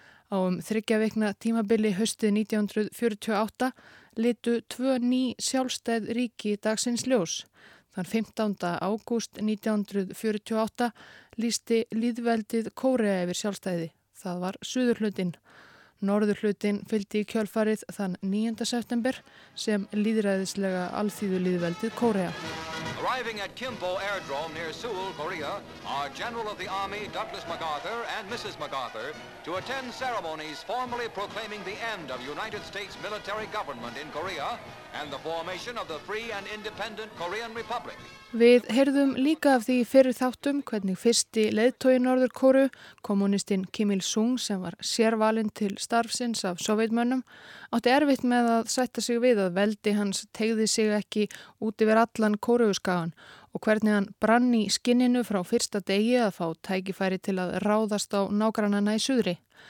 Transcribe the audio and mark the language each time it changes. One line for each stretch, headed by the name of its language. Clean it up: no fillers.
Icelandic: Á þriggja vikna tímabili haustið 1948 litu tvö ný sjálfstæð ríki dagsins ljós. Þann 15. ágúst 1948 lýsti lýðveldið Kórea yfir sjálfstæði. Það var suðurhlutin. Norðurhlutin fylgdi í kjölfarið þann 9. september sem lýðræðislega alþýðu lýðveldið Kórea.
English: Arriving at Kimpo Airdrome near Seoul, Korea are General of the Army Douglas MacArthur and Mrs. MacArthur to attend ceremonies formally proclaiming the end of United States military government in Korea and the formation of the free and independent Korean Republic.
Icelandic: Við heyrðum líka af því fyrir þáttum hvernig fyrsti leiðtogi Norður-Kóreu, kommunistinn Kim Il-sung sem var sérvalinn til starfsins af sovjetmönnum, átti erfitt með að sætta sig við að veldi hans tegði sig ekki út yfir allan Kóreuskagan og hvernig hann brann í skinninu frá fyrsta degi að fá tækifæri til að ráðast á nágrannana í suðri.